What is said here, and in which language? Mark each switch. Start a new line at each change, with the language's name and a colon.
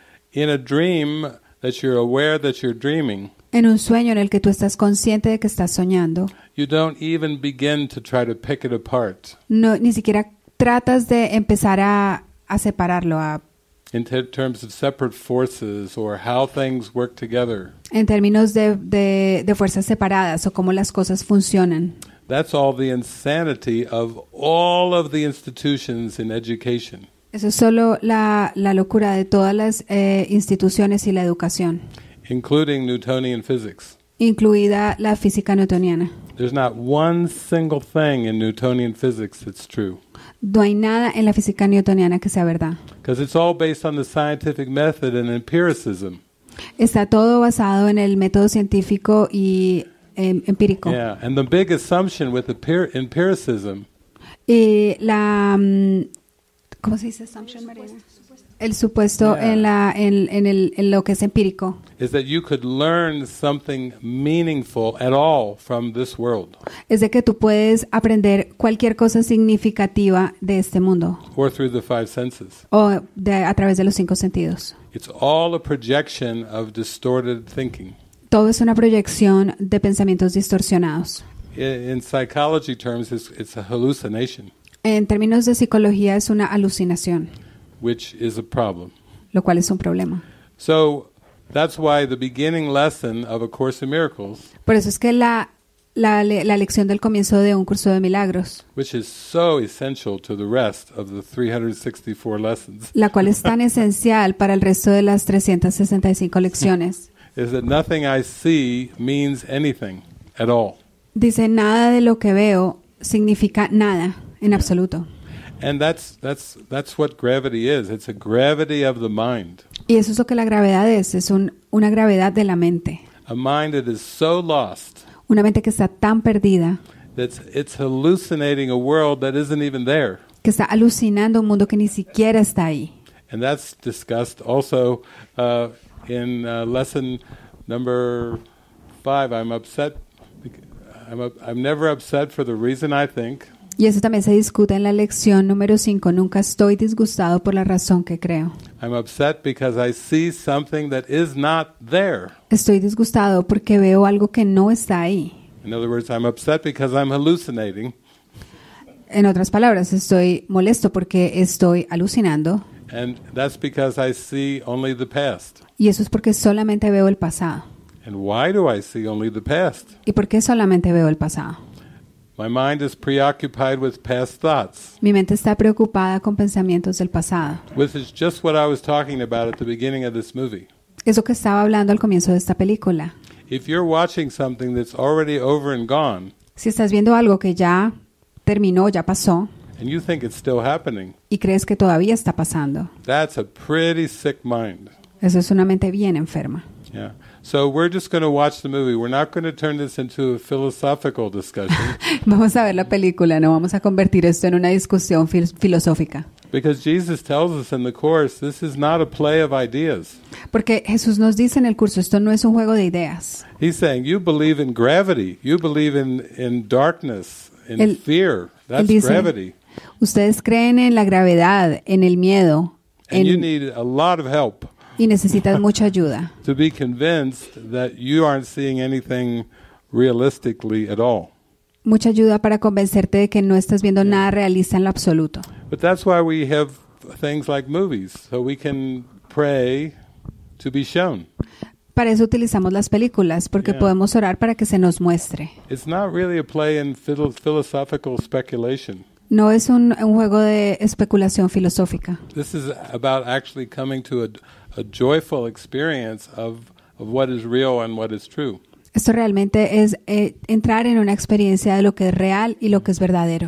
English: In a dream that you're aware that you're dreaming.
Spanish: En un sueño en el que tú estás consciente de que estás soñando.
English: You don't even begin to try to pick it apart.
Spanish: No, ni siquiera tratas de empezar a separarlo a
English: in terms of separate forces or how things work together.
Spanish: En términos de fuerzas separadas o cómo las cosas funcionan.
English: That's all the insanity of all of the institutions in education.
Spanish: Eso es solo la locura de todas las instituciones y la educación.
English: Including Newtonian physics.
Spanish: Incluida la física newtoniana.
English: There's not one single thing in Newtonian physics that's true.
Spanish: No hay nada en la física newtoniana que sea verdad.
English: Because it's all based on the scientific method and empiricism.
Spanish: Está todo basado en el método científico y empírico.
English: Yeah, and the big assumption with empiricism.
Spanish: Y la ¿cómo se dice assumption, Mariana? El supuesto, yeah. en lo que es empírico.
English: Is that you could learn something meaningful at all from this world.
Spanish: Es de que tú puedes aprender cualquier cosa significativa de este mundo.
English: Or through the five senses.
Spanish: O a través de los cinco sentidos.
English: It's all a projection of distorted thinking.
Spanish: Todo es una proyección de pensamientos distorsionados.
English: In psychology terms, it's a hallucination.
Spanish: En términos de psicología, es una alucinación.
English: Which is a problem.
Spanish: Lo cual es un problema.
English: So that's why the beginning lesson of A Course in Miracles.
Spanish: Por eso es que la lección del comienzo de Un Curso de Milagros.
English: Which is so essential to the rest of the 364 lessons.
Spanish: La cual es tan esencial para el resto de las 365 lecciones.
English: Is that nothing I see means anything at all.
Spanish: Dice, nada de lo que veo significa nada en absoluto.
English: And that's what gravity is. It's a gravity of the mind.
Spanish: Y eso es lo que la gravedad es una gravedad de la mente.
English: A mind that is so lost.
Spanish: Una mente que está tan perdida.
English: It's hallucinating a world that isn't even there.
Spanish: Que está alucinando un mundo que ni siquiera está ahí.
English: And that's discussed also in lesson number 5. I'm never upset for the reason I think.
Spanish: Y eso también se discute en la lección número 5. Nunca estoy disgustado por la razón que creo.
English: I'm upset because I see something that is not there.
Spanish: Estoy disgustado porque veo algo que no está ahí.
English: In other words, I'm upset because I'm hallucinating.
Spanish: En otras palabras, estoy molesto porque estoy alucinando.
English: And that's because I see only the past.
Spanish: Y eso es porque solamente veo el pasado.
English: And why do I see only the past?
Spanish: ¿Y por qué solamente veo el pasado?
English: My mind is preoccupied with past thoughts.
Spanish: Mi mente está preocupada con pensamientos del pasado.
English: Which is just what I was talking about at the beginning of this movie.
Spanish: Eso que estaba hablando al comienzo de esta película.
English: If you're watching something that's already over and gone.
Spanish: Si estás viendo algo que ya terminó, ya pasó.
English: And you think it's still happening.
Spanish: Y crees que todavía está pasando.
English: That's a pretty sick mind.
Spanish: Eso es una mente bien enferma.
English: Yeah. So we're just going to watch the movie. We're not going to turn this into a philosophical discussion.
Spanish: Vamos a ver la película, no vamos a convertir esto en una discusión filosófica.
English: Because Jesus tells us in the course, this is not a play of ideas.
Spanish: Porque Jesús nos dice en el curso, esto no es un juego de ideas.
English: He's saying, you believe in gravity, you believe in darkness, in fear. That's
Spanish: dice,
English: gravity.
Spanish: Ustedes creen en la gravedad, en el miedo.
English: And you need a lot of help.
Spanish: Y necesitas mucha ayuda.
English: To be convinced that you aren't seeing anything realistically at all.
Spanish: Mucha ayuda para convencerte de que no estás viendo nada realista en lo absoluto.
English: But that's why we have things like movies, so we can pray to be shown.
Spanish: Para eso utilizamos las películas, porque podemos orar para que se nos muestre.
English: It's not really a play in philosophical speculation.
Spanish: No es un juego de especulación filosófica.
English: This is about actually coming to a joyful experience of what is real and what is true.
Spanish: Esto realmente es entrar en una experiencia de lo que es real y lo que es verdadero.